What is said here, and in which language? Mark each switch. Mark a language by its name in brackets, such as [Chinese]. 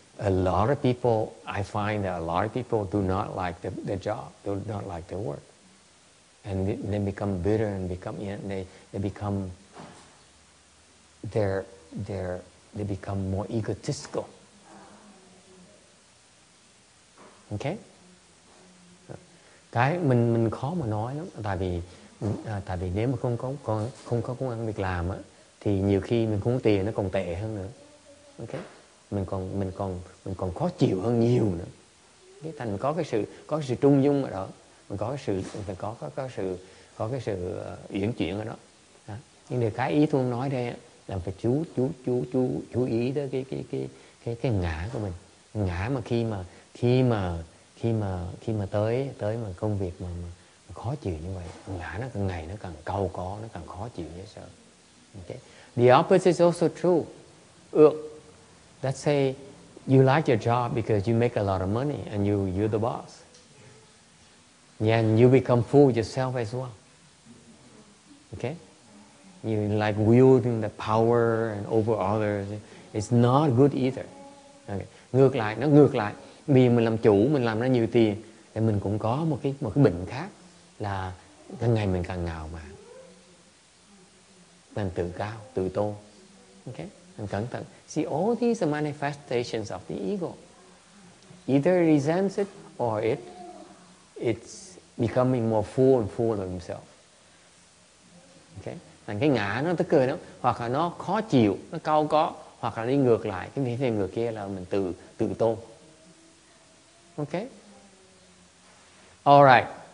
[English] A lot of people, I find that a lot of people do not like the job, do not like their work. And they become bitter and become, you know, they become more egotistical. Okay? [Vietnamese] Cái mình khó mà nói lắm, tại vì nếu mà không có công ăn việc làm á, thì nhiều khi mình không có tiền nó còn tệ hơn nữa. Okay?mình còn khó chịu hơn nhiều nữa. cái thành có cái sự, có cái sự trung dung ở đó, mình có cái sự, mình có sự, có cái sự uyển chuyển ở đó. À, nhưng điều cái ý tôi nói đây là phải chú ý tới cái ngã của mình. Ngã mà khi mà tới mà công việc mà khó chịu như vậy, ngã nó càng ngày nó càng cầu có, nó càng khó chịu như sợ. [English] Okay. The opposite is also true. Let's say you like your job because you make a lot of money and you're the boss. And you become fooled yourself as well. Okay? You like wielding the power and over others. It's not good either. Okay. [Vietnamese] Ngược lại, nó ngược lại. Vì mình làm chủ, mình làm ra nhiều tiền, thì mình cũng có một cái bệnh khác là càng ngày mình càng ngạo mạn, càng tự cao, tự tôn. Okay? Mình cẩn thận. [English] See, all these are manifestations of the ego. Either it resents it or it's becoming more full and full of himself. Okay? [Vietnamese] Thành cái ngã nó tức cười đó, hoặc là nó khó chịu, nó cau có, hoặc là đi ngược lại, cái vị thế ngược kia là mình tự tôn. Okay? [English] All right.